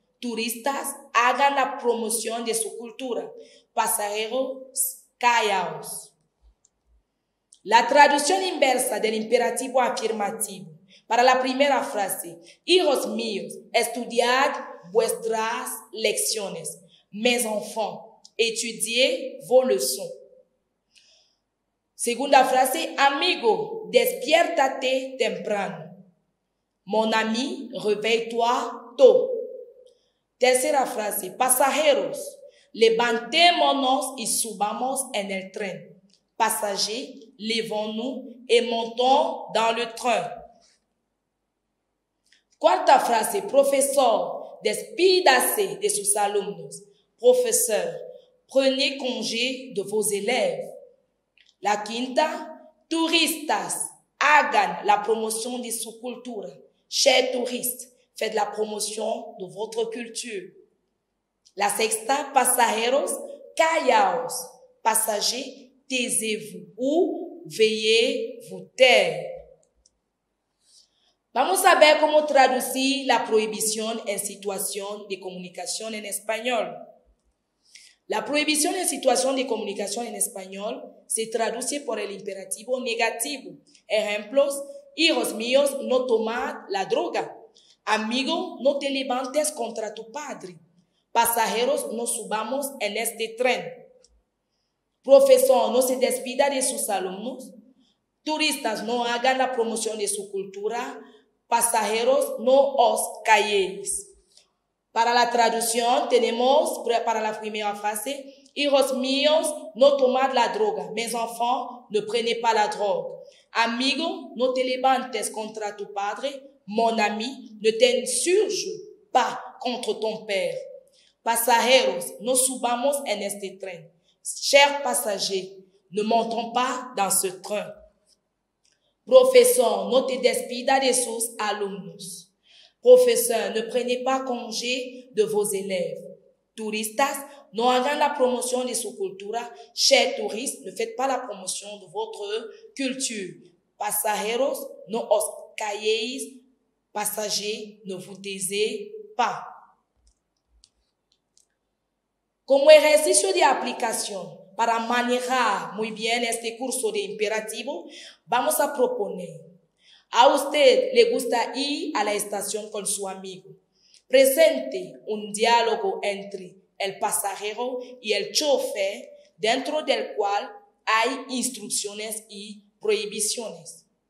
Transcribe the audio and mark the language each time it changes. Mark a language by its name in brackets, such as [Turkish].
[Spanish] Turistas, hagan la promoción de su cultura. Pasajeros, callaos. La traducción inversa del imperativo afirmativo. Para la primera frase, hijos míos, estudiad vuestras lecciones. [French] Mes enfants, étudiez vos leçons. [Spanish] Segunda frase, amigo, despiértate temprano. [French] Mon ami, réveille-toi tôt. [Spanish] Tercera frase, pasajeros, levantémonos y subamos en el tren. [French] Pasajeros, levons-nous y montons dans le train. [Spanish] Cuarta frase, profesor, despídase de sus alumnos. [French] Profesor, prenez congé de vos élèves. [Spanish] La quinta, turistas, hagan la promoción de su cultura. [French] Chers touristes, faites la promotion de votre culture. [Spanish] La sexta, pasajeros, callaos. [French] Passagers, taisez-vous ou veillez vous taire. [Spanish] Vamos a ver cómo traducir la prohibición en situación de comunicación en español. La prohibición en situación de comunicación en español se traduce por el imperativo negativo. Ejemplos: hijos míos, no tomad la droga. Amigo, no te levantes contra tu padre. Pasajeros, no subamos en este tren. Profesor, no se despida de sus alumnos. Turistas, no hagan la promoción de su cultura. Pasajeros, no os calléis. Para la traducción, tenemos para la primera frase, hijos míos, no tomad la droga. [French] Mes enfants, ne prenez pas la drogue. [Spanish] Amigo, no te levantes contra tu padre. [French] Mon ami, ne t'insurge pas contre ton père. [Spanish] Pasajeros, no subamos en este tren. [French] Chers passagers, ne montons pas dans ce train. [Spanish] Profesor, no te despida de sus alumnos. [French] Profesor, ne prenez pas congé de vos élèves. [Spanish] Turistas, no hagan la promoción de su cultura. [French] Chers touristes, ne faites pas la promoción de votre culture. [Spanish] Pasajeros, no os calléis. [French] Pasajeros, ne vous taisez pas. [Spanish] Como ejercicio de aplicación para manejar muy bien este curso de imperativo, vamos a proponer. A usted le gusta ir a la estación con su amigo. Presente un diálogo entre el pasajero y el chofer dentro del cual hay instrucciones y prohibiciones.